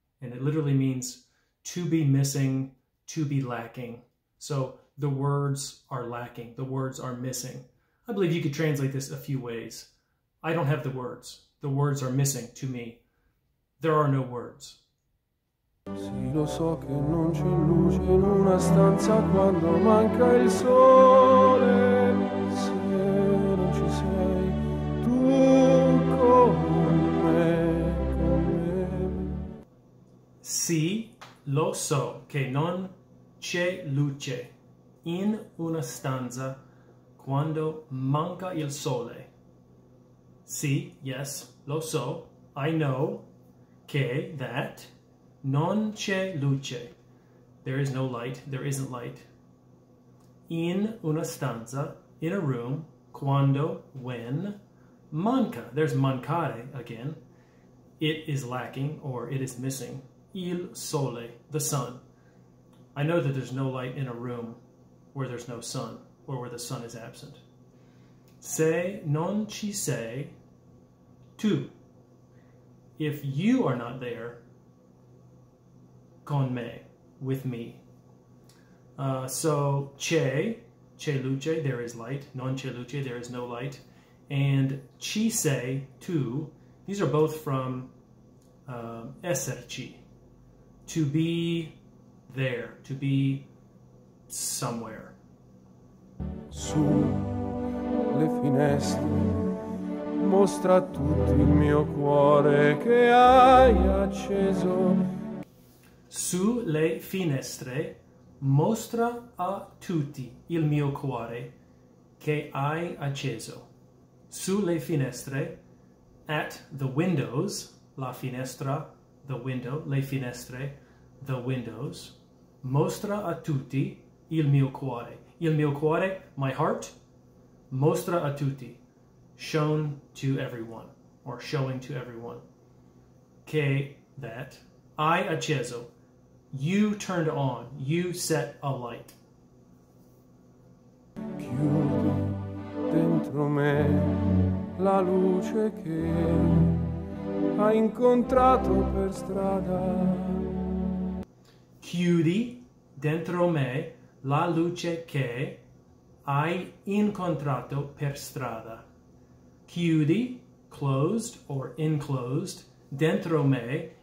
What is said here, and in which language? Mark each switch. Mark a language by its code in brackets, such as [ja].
[en] And it literally means to be missing, to be lacking. So the words are lacking. The words are missing. I believe you could translate this a few ways. I don't have the words. The words are missing to me. There are no words. [it] Sì, lo so che non c'è luce in una stanza quando manca il sole. Se non ci sei tu con me. Sì, lo so che non c'è luce in una stanza quando manca il sole. Sì, [en] yes, [it] lo so, [en] I know, [it] che, [en] that, [it] non c'è luce. [en] There is no light, there isn't light. [it] In una stanza, [en] in a room, [it] quando, [en] when, [it] manca. [en] There's mancare again. It is lacking, or it is missing. [it] Il sole, [en] the sun. I know that there's no light in a room where there's no sun, or where the sun is absent. [it] Se non ci sei... Tu, [en] if you are not there, [it] con me, [en] with me. So, [it] c'è luce, [en] there is light. [it] Non c'è luce, [en] there is no light. And [it] ci sei, tu, [en] these are both from esserci. To be there, to be somewhere. [it] Su le finestre. Mostra tutto il mio cuore che hai acceso. Su le finestre mostra a tutti il mio cuore che hai acceso. Su le finestre, [en] at the windows, [it] la finestra, [en] the window, [it] le finestre, [en] the windows, [it] mostra a tutti il mio cuore. Il mio cuore, [en] my heart, [it] mostra a tutti. [en] Shown to everyone, or showing to everyone. [it] Che, [en] that, [it] hai acceso, [en] you turned on, you set a light. [it] Chiudi dentro me la luce che hai incontrato per strada. Chiudi dentro me la luce che hai incontrato per strada. Chiudi, [en] closed or enclosed, [it] dentro me,